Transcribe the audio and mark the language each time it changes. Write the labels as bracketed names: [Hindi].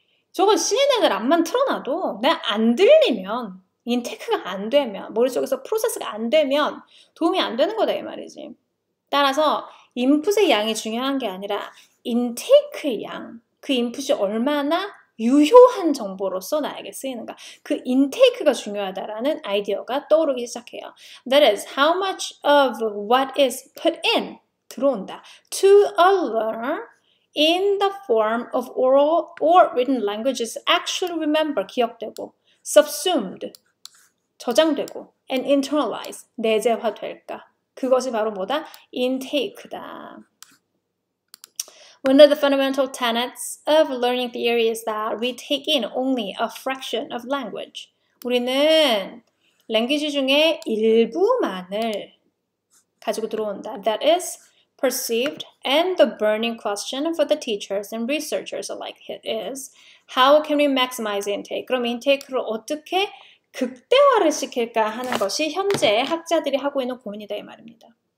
[Korean] 저거 CNN을 암만 틀어놔도 내가 안 들리면 인테크가 안 되면 머릿속에서 프로세스가 안 되면 도움이 안 되는 거다 이 말이지. 따라서 인풋의 양이 중요한 게 아니라 인테크의 양, 그 인풋이 얼마나 유효한 정보로서 나에게 쓰이는가. 그 인테크가 중요하다라는 아이디어가 떠오르기 시작해요. [English] That is how much of what is put in [Korean] 들어온다 [English] to a learner. In the form of oral or written languages, actually remember, [Korean] 기억되고, [English] subsumed, [Korean] 저장되고, [English] and internalized, [Korean] 내재화될까? 그것이 바로 뭐다? intake다. [English] One of the fundamental tenets of learning theory is that we take in only a fraction of language. [Korean] 우리는 language 중에 일부만을 가지고 들어온다. [English] That is, perceived and the burning question for the teachers and researchers alike is how can we maximize intake? [Korean] 그럼 intake를 어떻게 극대화를 시킬까 하는 것이 현재 학자들이 하고 있는 고민이다 이 말입니다.